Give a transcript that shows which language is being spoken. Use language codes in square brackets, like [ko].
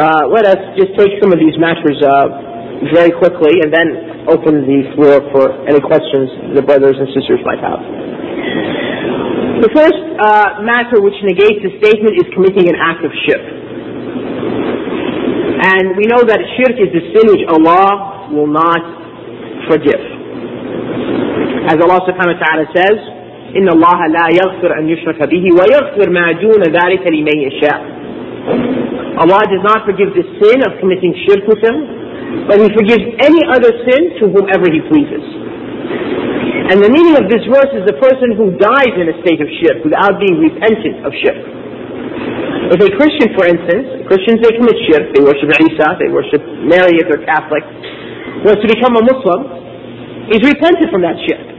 [en] Let us just take some of these matters very quickly and then open the floor for any questions the brothers and sisters might have. The first matter which negates the statement is committing an act of shirk. And we know that shirk is the sin which Allah will not forgive. As Allah subhanahu wa ta'ala says, [ar] إِنَّ اللَّهَ لَا يَغْفِرْ أَنْ يُشْرَكَ بِهِ وَيَغْفِرْ مَا دُونَ ذَلِكَ لِمَنْ يَشَاءُ. [en] Allah does not forgive the sin of committing shirk with Him, but He forgives any other sin to whomever He pleases. And the meaning of this verse is the person who dies in a state of shirk without being repentant of shirk. If a Christian, for instance, Christians, they commit shirk, they worship Isa, they worship Mary if they're Catholic, was to become a Muslim, he's repented from that shirk.